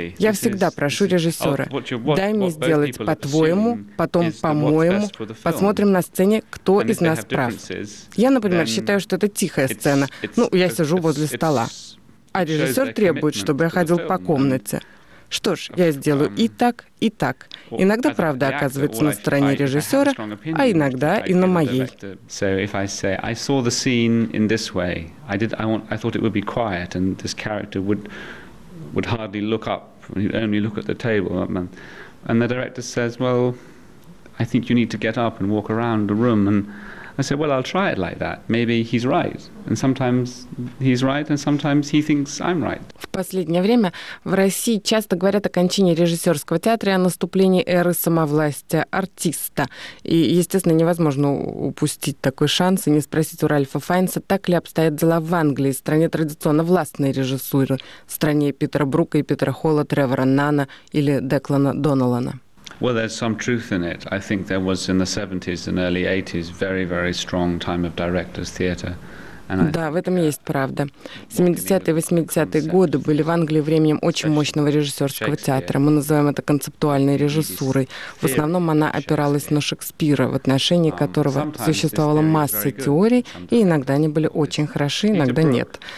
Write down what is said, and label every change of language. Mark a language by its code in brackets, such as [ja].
[ru] Я всегда прошу режиссера, дай мне сделать по-твоему, потом по-моему, посмотрим на сцене, кто из нас прав. Я, например, считаю, что это тихая сцена, ну, я сижу возле стола, а режиссер требует, чтобы я ходил по комнате. Что ж, я сделаю и так, и так. Иногда правда оказывается на стороне режиссера, а иногда и на моей. [en] So if I say I saw the scene in this way, I thought it would be quiet, and this character would hardly look up, he'd only look at the table. And the director says, well, I think you need to get up and walk around the room. And I say, well, I'll try it like that. Maybe he's right. And sometimes he's right, and sometimes he thinks I'm right. [ru] В последнее время в России часто говорят о кончине режиссерского театра и о наступлении эры самовластия артиста. И, естественно, невозможно упустить такой шанс и не спросить у Ральфа Файнса, так ли обстоят дела в Англии, стране традиционно властной режиссуры, стране Питера Брука и Питера Холла, Тревора Нана или Деклана Доналана. [en] Well, there's some truth in it. I think there was in the 70s and early 80s very, very strong time of director's theatre. [ru] Да, в этом есть правда. 70-е и 80-е годы были в Англии временем очень мощного режиссерского театра. Мы называем это концептуальной режиссурой. В основном она опиралась на Шекспира, в отношении которого существовала масса теорий, и иногда они были очень хороши, иногда нет.